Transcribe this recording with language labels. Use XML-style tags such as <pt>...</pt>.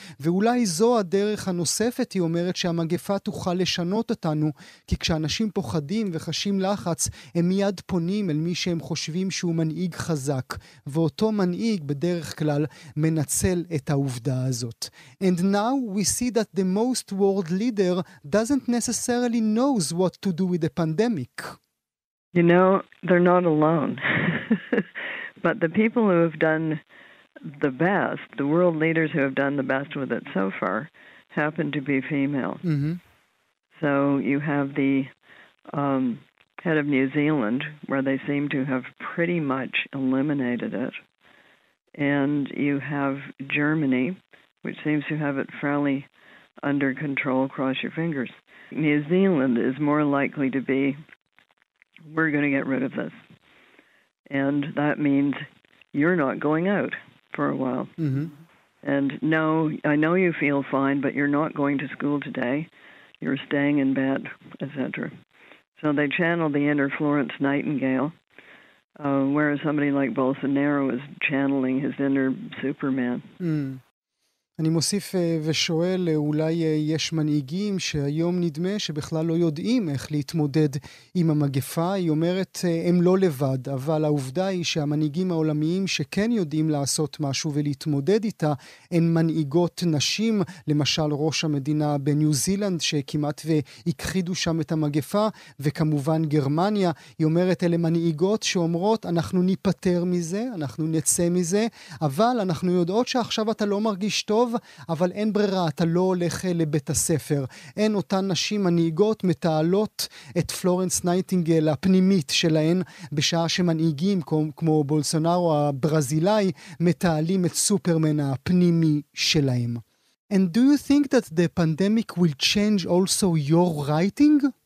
<he>ואולי זו הדרך הנוספת, היא אומרת, שהמגפה תוכל לשנות אותנו, כי כשאנשים פוחדים וחשים לחץ, הם מיד פונים אל מי שהם חושבים שהוא מנהיג חזק. ואותו מנהיג בדרך כלל מנצל את העובדה הזאת.</he> <en>And now we see that the most world leader doesn't necessarily knows what to do with the pandemic. You know, they're not alone. But the people who have done the best, the world leaders who have done the best with it so far, happen to be female. So you have the head of New Zealand, where they seem to have pretty much eliminated it. And you have Germany, which seems to have it fairly under control, cross your fingers. New Zealand is more likely to be, we're going to get rid of this. and that means you're not going out for a while. Mm-hmm. And no, I know you feel fine, but you're not going to school today. You're staying in bed, etc. So they channeled the inner Florence Nightingale, whereas somebody like Bolsonaro is channeling his inner Superman.</en> <he>אני מוסיף ושואל, אולי יש מנהיגים שהיום נדמה שבכלל לא יודעים איך להתמודד עם המגפה. היא אומרת, הם לא לבד, אבל העובדה היא שהמנהיגים העולמיים שכן יודעים לעשות משהו ולהתמודד איתה, הן מנהיגות נשים, למשל ראש המדינה בניו זילנד, שכמעט והכחידו שם את המגפה, וכמובן גרמניה. היא אומרת, אלה מנהיגות שאומרות, אנחנו ניפטר מזה, אנחנו נצא מזה, אבל אנחנו יודעות שעכשיו אתה לא מרגיש טוב, אבל אין ברירה, אתה לא הולך לבית הספר. אין אותן נשים מנהיגות מתעלות את פלורנס נייטינגל הפנימית שלהן, בשעה שמנהיגים כמו בולסונארו הברזילאי מתעלים את סופרמן הפנימי שלהם.</he> <en>And do you think that the pandemic will change also your writing?</en>